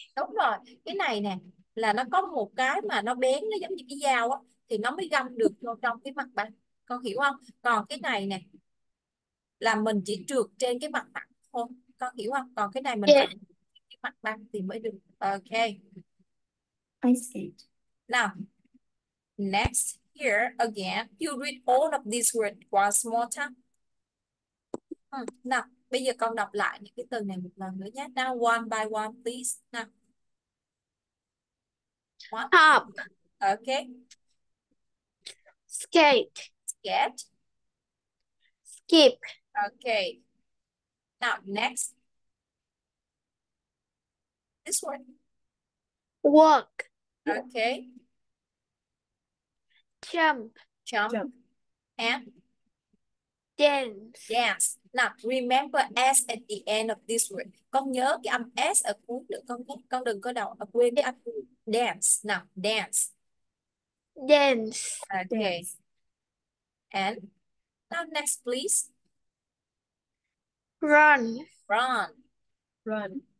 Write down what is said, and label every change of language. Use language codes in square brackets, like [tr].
[vi] Đúng rồi, cái này nè là nó có một cái mà nó bén, nó giống như cái dao á thì nó mới găm được vô trong cái mặt bạn, con hiểu không? Còn cái này nè là mình chỉ trượt trên cái mặt bạn thôi, con hiểu không? Còn cái này mình phải mặt băng thì mới được. [en] Ok. Skate. Now, next here again, you read all of these words once more time. [vi] Nào, bây giờ con đọc lại những cái từ này một lần nữa nhé. [en] Now, one by one, please. Now. Hop. What? Okay. Skate. Get. Skip. Okay. Now, next. This one. Walk. Okay. Jump. Jump. And. Dance. Dance. Now, remember S at the end of this word. [vi] Con nhớ cái âm S ở cuối được con nhé. Con đừng có đọc, quên cái âm dance. [en] Now, dance. Dance. Okay. And now next, please. Run. Run. Run.